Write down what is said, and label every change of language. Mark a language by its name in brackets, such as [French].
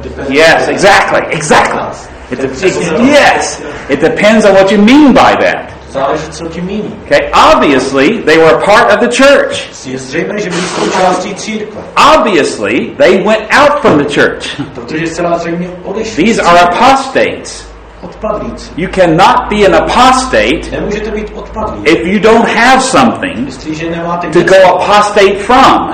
[English] Yes, exactly, exactly. It depends on what you mean by that. [Czech] Záleží, co tím mění. [English] Okay, obviously, they were part of the church. [Czech] Zřejmé, že byli součástí církve. [English] Obviously, they went out from the church. [Czech] Protože zcela zřejmě odešli. [English] These are apostates. [Czech] Odpadlíci. [English] You cannot be an apostate. [Czech] Nemůžete být odpadlíci. [English] If you don't have something to go apostate from.